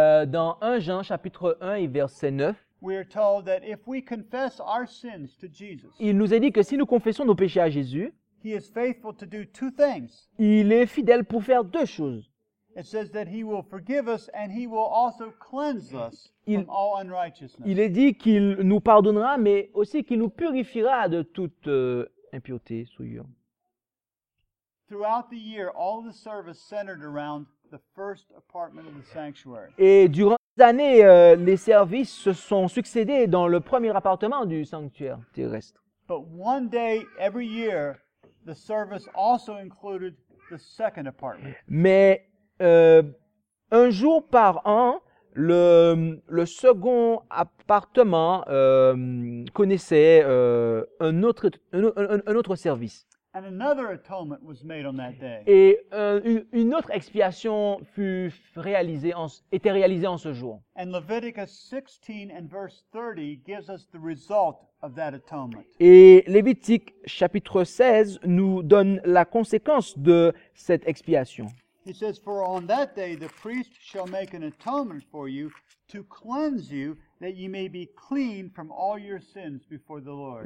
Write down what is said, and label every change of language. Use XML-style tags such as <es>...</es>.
<fr>Dans 1 Jean chapitre 1 et verset 9.</fr> <en>We are told that if we confess our sins to Jesus.</en> <fr>Il nous est dit que si nous confessons nos péchés à Jésus,</fr> <en>he is faithful to do two things.</en> <fr>Il est fidèle pour faire deux choses.</fr> <en>It says that he will forgive us and he will also cleanse us from all unrighteousness.</en> <fr>Il est dit qu'il nous pardonnera, mais aussi qu'il nous purifiera de toute impureté, souillure.</fr> <en>Throughout the year, all the service centered around the first apartment of the sanctuary.</en> <fr>Et durant les années, les services se sont succédés dans le premier appartement du sanctuaire terrestre.</fr> <en>But one day every year, the service also included the second apartment.</en> <fr>Mais un jour par an, le second appartement connaissait un autre service.</fr> <en>And another atonement was made on that day.</en> <fr>Et une autre expiation était réalisée en ce jour.</fr> <en>And Leviticus 16 and verse 30 gives us the result of that atonement.</en> <fr>Et Lévitique chapitre 16 nous donne la conséquence de cette expiation.</fr> <en>He says, "For on that day the priest shall make an atonement for you to cleanse you, that ye may be clean from all your sins before the Lord."</en>